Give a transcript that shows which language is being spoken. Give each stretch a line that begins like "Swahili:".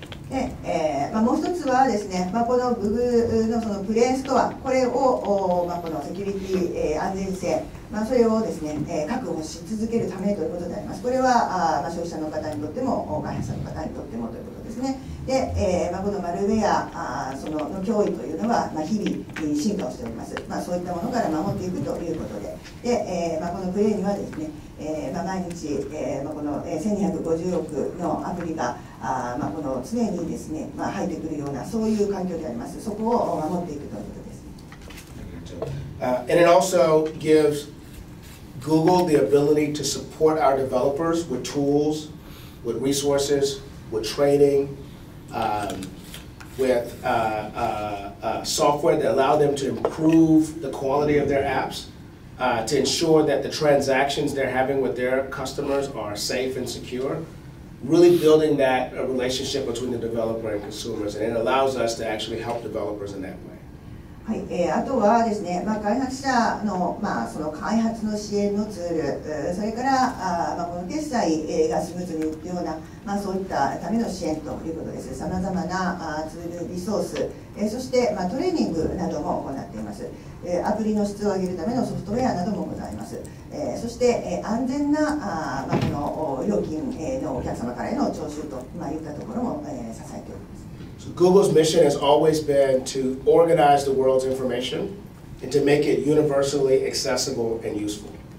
Japanese: もう一つはですね、この Google の そのプレイストア、これを、このセキュリティ、安全性、それをですね、確保し続けるためということであります。これは、消費者の方にとっても、開発者の方にとってもということですね。で、このマルウェア、その脅威というのは、日々進化をしております。そういったものから守っていくということで、で、このプレイにはですね、毎日、この1250億のアプリが、この常にですね、入ってくるような、そういう環境であります。そこを守っていくということです。
English: And it also gives Google the ability to support our developers with tools, with resources, with training, software that allow them to improve the quality of their apps, to ensure that the transactions they're having with their customers are safe and secure, really building that relationship between the developer and consumers, and it allows us to actually help developers in that way.
Japanese: はい、あとはですね、開発者 の、その開発の支援のツール、それから、この決済がスムーズにいくような、そういったための支援ということです。さまざまなツール、リソース、そして、トレーニングなども行っています。アプリの質を上げるためのソフトウェアなどもございます。そして、安全なこの料金のお客様からへの徴収といったところも、支えております。
English: So Google's mission has always been to organize the world's information and to make it universally accessible and useful.